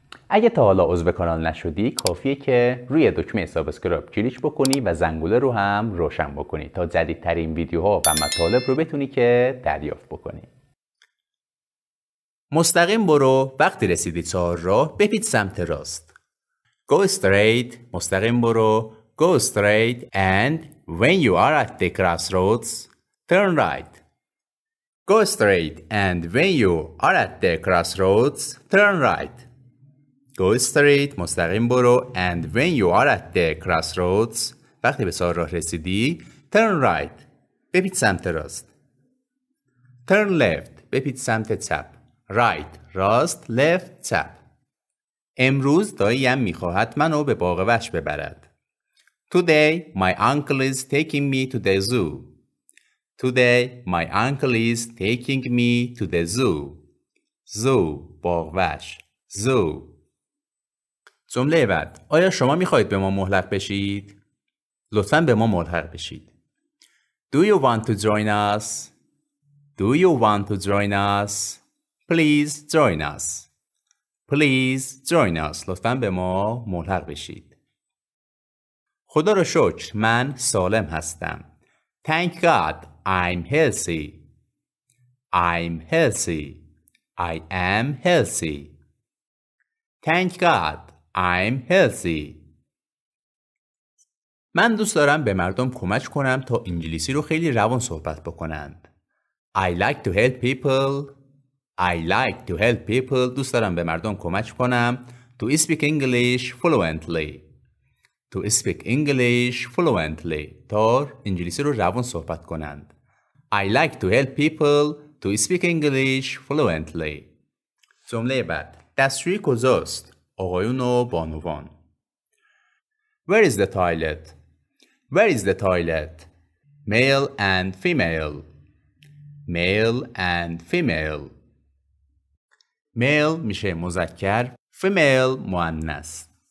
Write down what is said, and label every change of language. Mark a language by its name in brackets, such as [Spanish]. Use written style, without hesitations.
[Persian] اگه تا حالا عضو کانال نشدی، کافیه که روی دکمه سابسکرایب کلیک بکنی و زنگوله رو هم روشن بکنی تا جدیدترین ویدیوها و مطالب رو بتونی که دریافت بکنی. مستقیم برو، وقتی رسیدی 4 راه بپیچ سمت راست. [English] Go straight، [Persian] مستقیم برو. [English] Go straight and when you are at the crossroads, turn right. Go straight and when you are at the crossroads, turn right. Go straight, [Persian] مستقیم برو, [English] and when you are at the crossroads, [Persian] وقتی به سر راه رسیدی [English] turn right، [Persian] بپیچ سمت راست. [English] turn left، [Persian] بپیچ سمت چپ. right، راست. left، چپ. امروز داییم میخواهد منو به باغ وحش ببرد. [English] Today my uncle is taking me to the zoo. Today my uncle is taking me to the zoo. [Persian] Zoo، باغ وحش. Zoo. جمله بعد. آیا شما میخواهید به ما ملحق بشید؟ لطفاً به ما ملحق بشید. [English] Do you want to join us? Do you want to join us? Please join us. Please join us. [Persian] لطفاً به ما ملحق بشید. خدا رو شکر من سالم هستم. [English] Thank God I'm healthy. I'm healthy. I am healthy. Thank God I'm healthy. [Persian] من دوست دارم به مردم کمک کنم تا انگلیسی رو خیلی روان صحبت بکنند. [English] I like to help people. I like to help people. [Persian] دوست دارم به مردم کمک کنم [English] to speak English fluently. To speak English fluently. [Persian] تا انگلیسی رو روان صحبت کنند. [English] I like to help people to speak English fluently. [Persian] جمله بعد. دستشویی کجاست؟ آقایون و بانوان. [English] Where is the toilet? Where is the toilet? Male and female. Male and female. Male [Persian] میشه مذکر، [English] female مؤنث.